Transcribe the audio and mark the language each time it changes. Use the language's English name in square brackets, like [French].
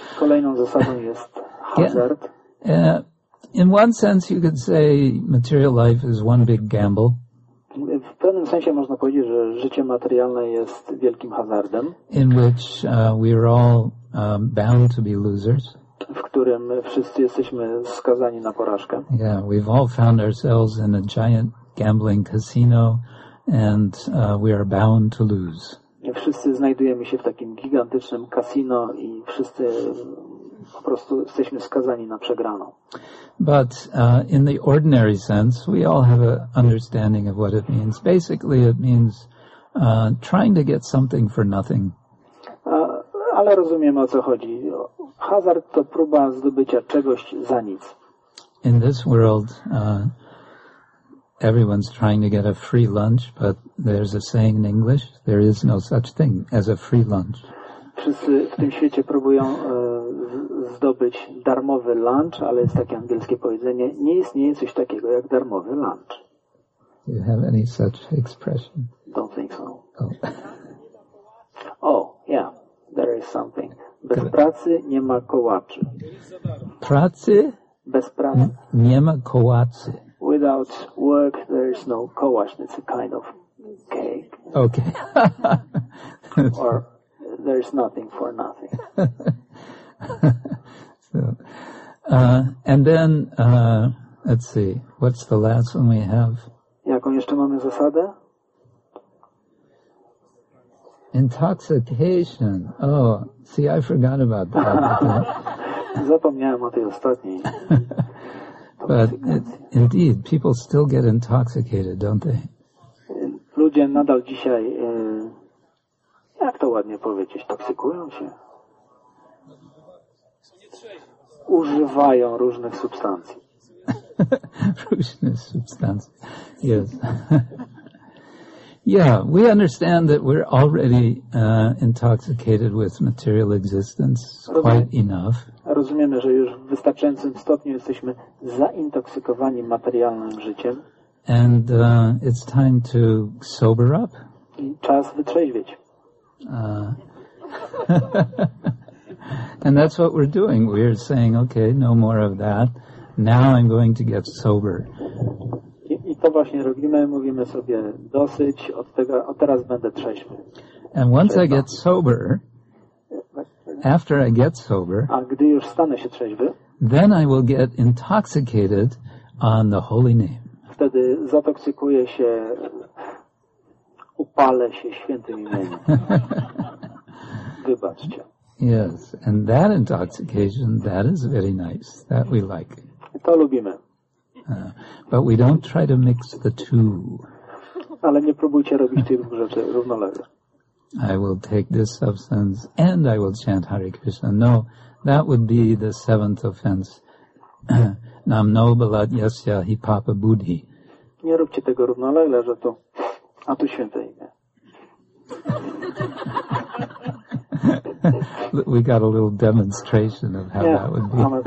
[Polish] Kolejną zasadą jest hazard. [English] In one sense you could say material life is one big gamble. [Polish] W pewnym sensie można powiedzieć, że życie materialne jest wielkim hazardem. [English] In which we are all bound to be losers. [Polish] W którym wszyscy jesteśmy skazani na porażkę. [English] Yeah, we've all found ourselves in a giant gambling casino and we are bound to lose. [Polish] Wszyscy znajdujemy się w takim gigantycznym kasino i wszyscy po prostu jesteśmy skazani na przegraną. [English] But in the ordinary sense, we all have an understanding of what it means. Basically, it means trying to get something for nothing. [Polish] Ale rozumiemy, o co chodzi. Hazard to próba zdobycia czegoś za nic. [English] In this world, everyone's trying to get a free lunch, but there's a saying in English, there is no such thing as a free lunch. [Polish] Wszyscy w tym świecie próbują zdobyć darmowy lunch, ale jest takie angielskie powiedzenie, nie istnieje coś takiego jak darmowy lunch. [English] Do you have any such expression? Don't think so. Oh, oh yeah, there is something. [Polish] Bez pracy nie ma kołaczy. Pracy? Bez pracy. Nie ma kołaczy. [English] Without work, there is no kołacz. It's a kind of cake. Okay. Or there is nothing for nothing. So, and then, let's see, what's the last one we have? [Polish] Jaką jeszcze mamy zasadę? [English] Intoxication. Oh, see, I forgot about that. [Polish] Zapomniałem o tej ostatniej. [English] But indeed, people still get intoxicated, don't they? [Polish] Ludzie nadal dzisiaj, jak to ładnie powiedzieć, toksykują się. Używają różnych substancji. Różnych substancji. Yes. [English] Yeah, we understand that we're already intoxicated with material existence quite enough. [Polish] Rozumiemy, że już w wystarczającym stopniu jesteśmy zaintoksykowani materialnym życiem. [English] And it's time to sober up. [Polish] I czas wytrzeźwieć. [English] And that's what we're doing. We're saying, okay, no more of that. Now I'm going to get sober. [Polish] I to właśnie robimy, mówimy sobie dosyć, od tego, a teraz będę trzeźwy. [English] And once I get sober, after I get sober, [Polish] a gdy już stanę się trzeźwy, [English] then I will get intoxicated on the holy name. [Polish] Wtedy zatoksykuję się, upalę się świętym imieniem. Wybaczcie. [English] Yes, and that intoxication, that is very nice, that we like. [Polish] To lubimy. [English] But we don't try to mix the two. [Polish] Ale nie próbujcie robić tych dwóch rzeczy równolegle. [English] I will take this substance and I will chant Hare Krishna. No, that would be the seventh offense. [Sanskrit] Namno balat yasya hi papa buddhi. [Polish] Nie róbcie tego równolegle, że to, a tu święte imię. [English] We got a little demonstration of how that would be.